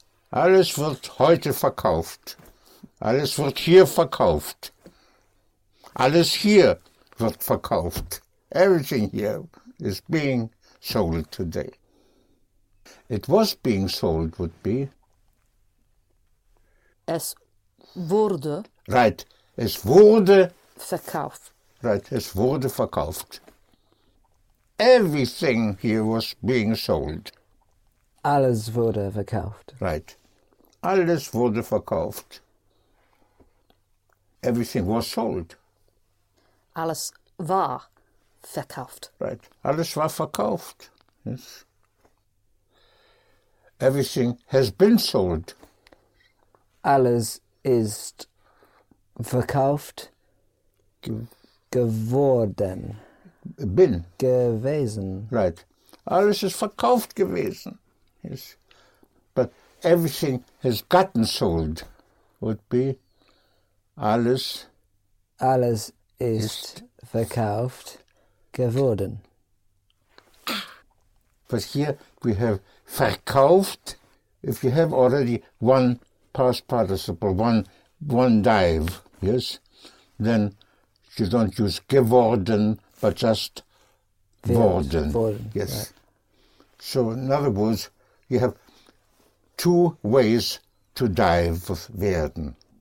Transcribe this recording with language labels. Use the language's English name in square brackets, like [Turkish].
[German] Alles wird heute verkauft. Alles wird hier verkauft. Alles hier wird verkauft. [English] Everything here is being sold today. It was being sold would be. [German] Es wurde. Right. Es wurde verkauft. Right. Es wurde verkauft. [English] Everything here was being sold. [German] Alles wurde verkauft. [English] Right. [German] Alles wurde verkauft. [English] Everything was sold. [German] Alles war verkauft. Right. Alles war verkauft. Yes. [English] Everything has been sold. [German] Alles ist verkauft geworden. Bin. Gewesen. [English] Right. [German] Alles ist verkauft gewesen. [English] Yes. But everything has gotten sold would be alles. [German] Alles ist verkauft geworden. [English] But here we have verkauft. If you have already one past participle, one dive, yes, then you don't use geworden, but just worden. Yes. Right. So in other words, you have two ways to dive with werden.